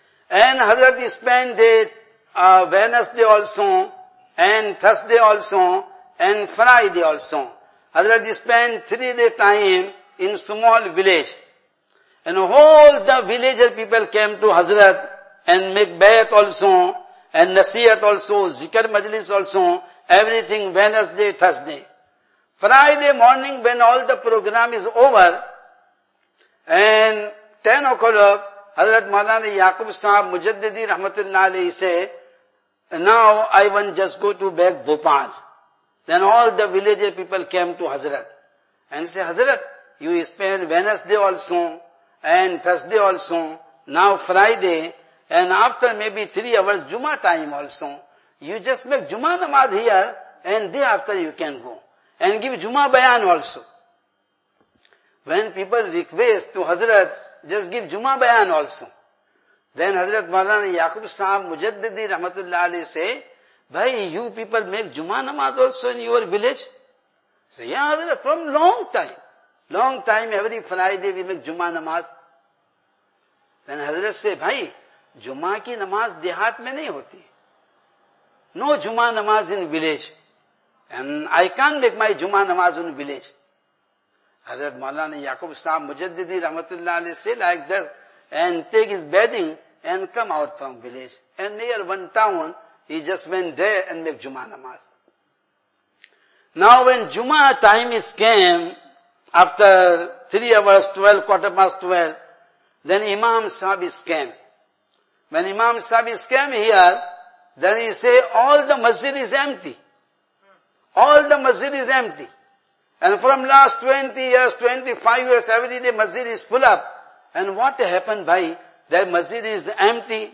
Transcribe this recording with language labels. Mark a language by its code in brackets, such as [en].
[en] And حضرت spend the Wednesday also and Thursday also and Friday also, حضرت spend 3 day time in small village and whole the village people came to حضرت and make بیت also and nasihat also, zikr majlis also, everything Wednesday, Thursday. Friday morning when all the program is over and 10 o'clock, Hazrat Maulana Yaqub sahab mujaddidi rahmatullah alayhi say, now I want just go to beg Bhopal. Then all the village people came to Hazrat and say, Hazrat, you spend Wednesday also and Thursday also, now Friday, and after maybe 3 hours, Juma time also, you just make Juma namaz here, and day after you can go, and give Juma bayan also. When people request to Hazrat, just give Juma bayan also. Then Hazrat Maulana Yaqub sahab mujaddidi rahmatullah alayhi say, bhai, you people make Juma namaz also in your village? Say, yeah Hazrat, from long time. Long time, every Friday we make Juma namaz. Then Hazrat say, bhai, [ur] جمعہ کی نماز دیہات میں نہیں ہوتی, [en] No جمعہ نماز in village and I can make my جمعہ نماز ان ولیج. حضرت مولانا یعقوب صاحب مجددی رحمت اللہ علیہ سے like this and take his bedding and come out from village and near one town he just went they and make جمعہ نماز. ناؤ وین جمعہ time is came after 3 hours, 12:15, 12, then امام صاحب is came. When Imam Sahib is came here, then he say, all the masjid is empty. All the masjid is empty. And from last 20 years, 25 years, every day masjid is full up. And what happened, bhai? That masjid is empty.